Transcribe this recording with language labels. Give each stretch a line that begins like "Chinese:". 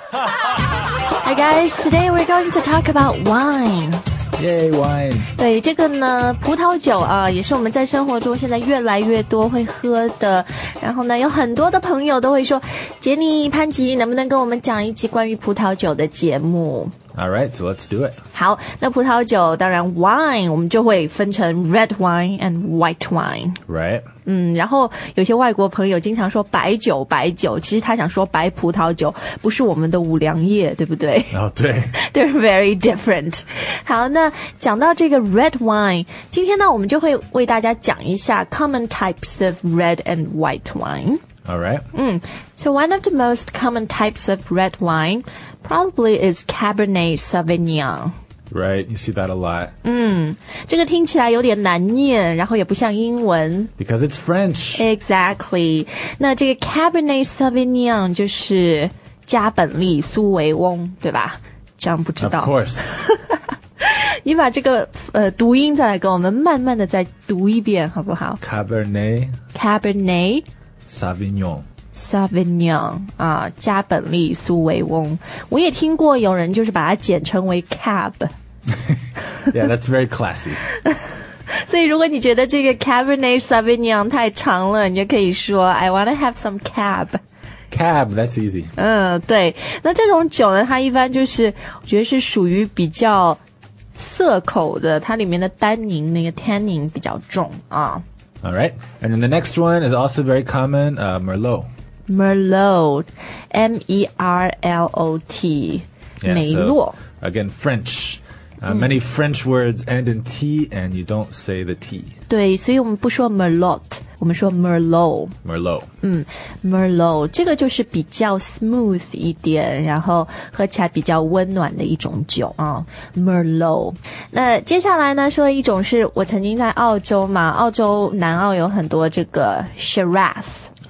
English: Hi guys, today we're going to talk about wine. Yay, wine.
Chinese: 对，这个呢，葡萄酒啊，也是我们在生活中现在越来越多会喝的。然后呢，有很多的朋友都会说，杰尼、潘吉，能不能跟我们讲一期关于葡萄酒的节目？
English: All right, so let's do it.
Chinese: 好，那葡萄酒当然 wine 我们就会分成
English: red wine and white wine. Right.
Chinese: 然后有些外国朋友经常说白酒白酒，其实他想说白葡萄酒，不是我们的五粮液，对不对？哦、oh, 对。
English: They're very different.
Chinese: 好，那讲到这个 red wine, 今天呢我们就会为大家讲一下
English: common types of red and white wine. Alright. So one of the most common types of red wine probably is Cabernet Sauvignon. Right, you see that a lot.
Chinese: 这个听起来有点难念，然后也不像英文。
English: Because it's French. Exactly.
Chinese: 那这个 Cabernet Sauvignon 就是加本利苏维翁，对吧？这样不知道。
English: Of course.
Chinese: 你把这个读音再来跟我们慢慢的再读一遍，好不好？
English: Cabernet. Cabernet. Sauvignon.
Chinese: Sauvignon, 啊，加本利苏维翁。我也听过有人就是把它简称为 Cab.
English: Yeah, that's very classy.
Chinese: 所以如果你觉得这个 Cabernet Sauvignon 太长了，你就可以说
English: I want to have some Cab. Cab, that's easy.
Chinese: 对。那这种酒呢，它一般就是我觉得是属于比较涩口的，它里面的单宁那个 tannin 比较重啊。
English: Alright, and then the next one is also very common, Merlot. Merlot, M-E-R-L-O-T, Merlot. Yeah, so, again, French. Many French words end in T and you don't say the T.
Chinese: 对，所以我们不说 Merlot, 我们说 Merlot.
English: Merlot.
Chinese: Merlot, 这个就是比较 smooth 一点，然后喝起来比较温暖的一种酒啊。
English: Merlot.
Chinese: 那接下来呢，说一种是我曾经在澳洲嘛，澳洲南澳有很多这个 Shiraz.